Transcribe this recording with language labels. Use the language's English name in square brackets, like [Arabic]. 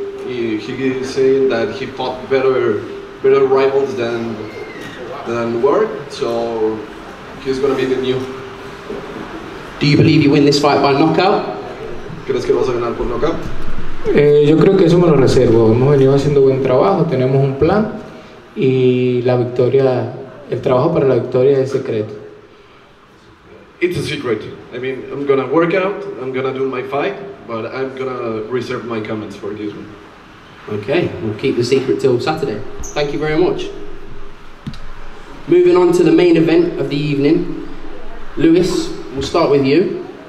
[English] He said that he fought better rivals than Ward, so he's going to be the new. Do you believe you win this fight by knockout? [Spanish] ¿Crees que vas a ganar por knockout? Yo creo que eso me lo reservo. Hemos venido haciendo buen trabajo, tenemos un plan y la victoria, el trabajo para la victoria es secreto. [English] It's a secret. I mean, I'm gonna work out, I'm gonna do my fight, but I'm gonna reserve my comments for this one. Okay, we'll keep the secret till Saturday. Thank you very much. Moving on to the main event of the evening, Lewis. We'll start with you.